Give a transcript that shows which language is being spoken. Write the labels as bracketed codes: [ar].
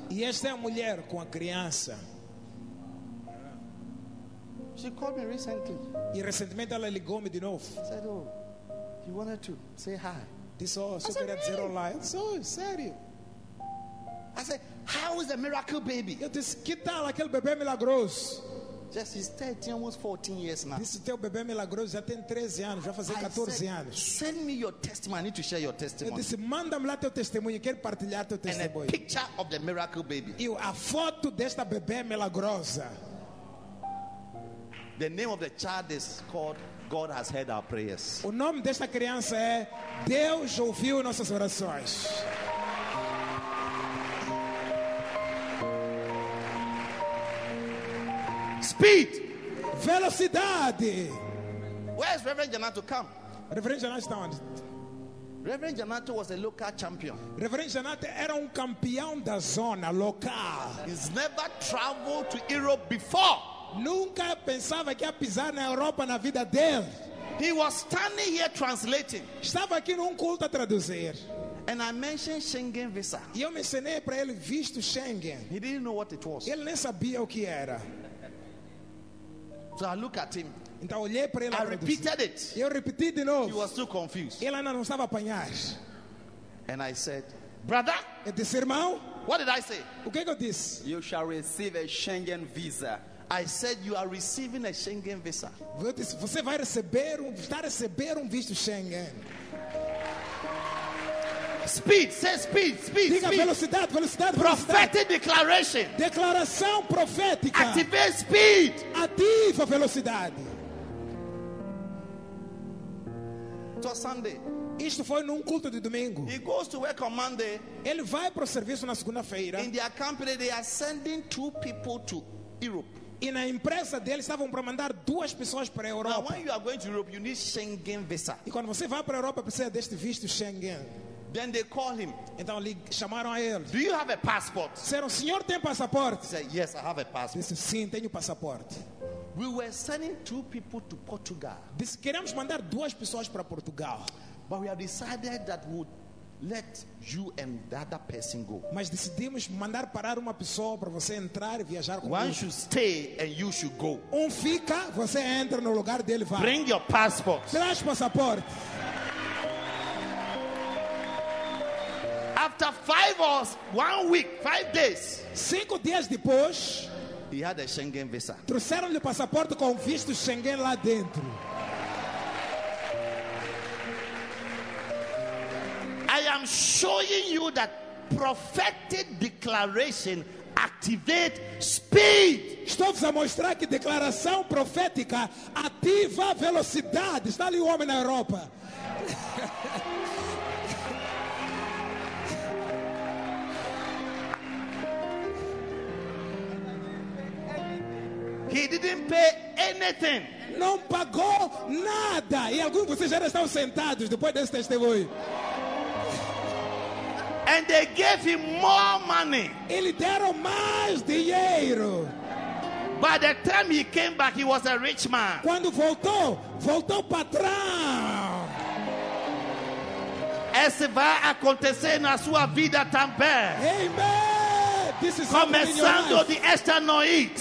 [pt] E esta é a mulher com a criança. [en] She called me recently. [pt] E recentemente ela ligou-me de novo. [en] Said, oh, you wanted to say hi. [pt] Disse, oh, só queria dizer olá. Disse, oh, sério. [en] I said, how is the miracle baby? [pt] Eu disse, que tal aquele bebê milagroso? [en] Just he's 13, almost 14 years now. [pt] Disse, teu bebê milagroso já tem 13 anos, já fazer 14 anos. [en] Send me your testimony. I need to share your testimony. [pt] Eu disse, manda-me lá teu testemunho, quero partilhar teu testemunho. [en] And a picture of the miracle baby. [pt] E a foto desta bebê milagrosa. [en] The name of the child is called God has heard our prayers. [pt] O nome desta criança é Deus ouviu nossas orações. [en] Speed. [pt] Velocidade. [en] Where is Reverend Janato? Come. [pt] Reverend Janato está onde? [en] Reverend Janato was a local champion. [pt] Reverend Janato era campeão da zona local. [en] He's never traveled to Europe before. [pt] Nunca pensava que ia pisar na Europa na vida dele. [en] He was standing here translating. [pt] Estava aqui num culto a traduzir. [en] And I mentioned Schengen visa. [pt] E eu mencionei para ele visto Schengen. [en] He didn't know what it was. [pt] Ele nem sabia o que era. [en] So I look at him. [pt] Então olhei para ele. [en] I repeated it. [pt] Eu repeti de novo. [en] He was too confused. [pt] Ele ainda não estava a apanhar. [en] And I said, brother. [pt] Eu disse, irmão. [en] What did I say? [pt] O que eu disse? [en] You shall receive a Schengen visa. I said you are receiving a Schengen visa. [pt] Você vai receber está a receber um visto Schengen. [en] Speed, say speed, speed, [pt] diga [en] speed. [pt] Velocidade, velocidade. [en] Prophetic declaration. [pt] Declaração profética. [en] Activate speed. [pt] Ativa velocidade. [en] It was Sunday. [pt] Isto foi num culto de domingo. [en] He goes to work on Monday. [pt] Ele vai para o serviço na segunda-feira. [en] In their company, they are sending two people to Europe. [pt] E na empresa dele estavam para mandar duas pessoas para a Europa. [en] Now, when you are going to Europe, you need Schengen visa. [pt] E quando você vai para a Europa, precisa deste visto Schengen. [en] Then they call him. [pt] Então lhe chamaram a ele. [en] Do you have a passport? [pt] Disseram, senhor tem passaporte? [en] He said, yes, I have a passport. [pt] Disse, sim, tenho passaporte. [en] We were sending two people to Portugal. [pt] Disse, queremos mandar duas pessoas para Portugal. [en] But we have decided that we would let you and the other person go. [pt] Mas decidimos mandar parar uma pessoa para você entrar e viajar com ele. [en] One should stay and you should go. [pt] Um fica, você entra no lugar dele, vai. [en] Bring your passport. [pt] Traz passaporte. [en] After 5 hours, 1 week, 5 days. [pt] 5 dias depois, [en] he had a Schengen visa. [pt] Trouxeram-lhe o passaporte com visto Schengen lá dentro. [en] I am showing you that prophetic declaration activate speed. [pt] Estou-vos a mostrar que declaração profética ativa velocidade. Está ali o homem na Europa. [en] He didn't pay anything. [pt] Não pagou nada. E alguns de vocês já estão sentados depois desse testemunho. [en] And they gave him more money. [pt] Eles deram mais dinheiro. [en] By the time he came back, he was a rich man. [pt] Quando voltou, voltou patrão. Esse vai acontecer na sua vida também. [en] Amen. This is [pt] começando de esta noite.